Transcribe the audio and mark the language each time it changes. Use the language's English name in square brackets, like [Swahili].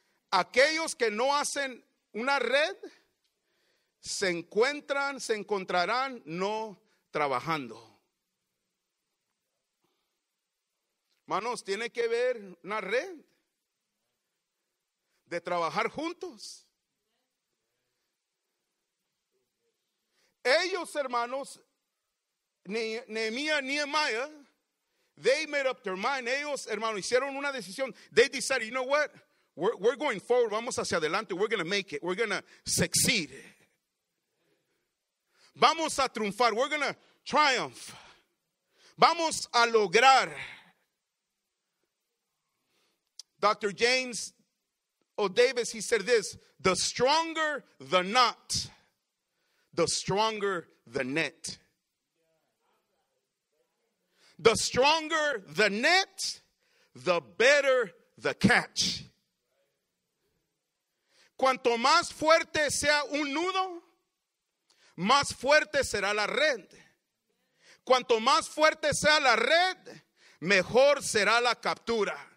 [Spanish] Aquellos que no hacen una red, se encontrarán no trabajando. Hermanos, tiene que ver una red de trabajar juntos. Ellos, hermanos, [English] Nehemiah, they made up their mind. [Spanish] Ellos, hermanos, hicieron una decisión. [English] They decided, you know what? We're going forward. [Spanish] Vamos hacia adelante. [English] We're going to make it. We're going to succeed. [Spanish] Vamos a triunfar. [English] We're going to triumph. [Spanish] Vamos a lograr. [English] Dr. James O. Davis, he said this, the stronger the knot, the stronger the net. The stronger the net, the better the catch. [Spanish] Cuanto más fuerte sea un nudo, más fuerte será la red. Cuanto más fuerte sea la red, mejor será la captura.